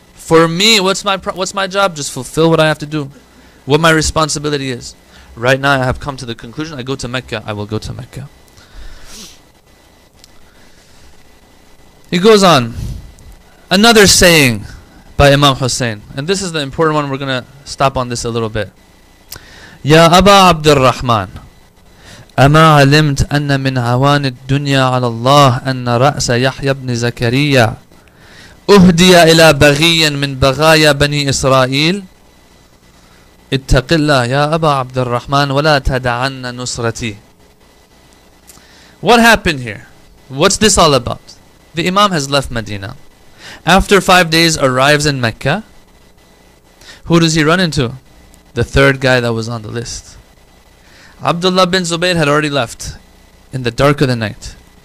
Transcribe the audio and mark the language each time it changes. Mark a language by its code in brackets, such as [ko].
[en] For me, what's my job? Just fulfill what I have to do. What my responsibility is. Right now I have come to the conclusion, I go to Mecca, I will go to Mecca. He goes on, another saying by Imam Hussein, and this is the important one, we're going to stop on this a little bit. [ar] Ya Aba Abdurrahman, أما علمت أن من عوان الدنيا على الله أن رأس يحيى بن زكريا أهدي إلى بغي من بغايا بني إسرائيل اتق الله يا أبا عبد الرحمن ولا تدعن نصرتي. [en] What happened here? What's this all about? The Imam has left Medina. After 5 days arrives in Mecca. Who does he run into? The third guy that was on the list. Abdullah bin Zubayr had already left in the dark of the night.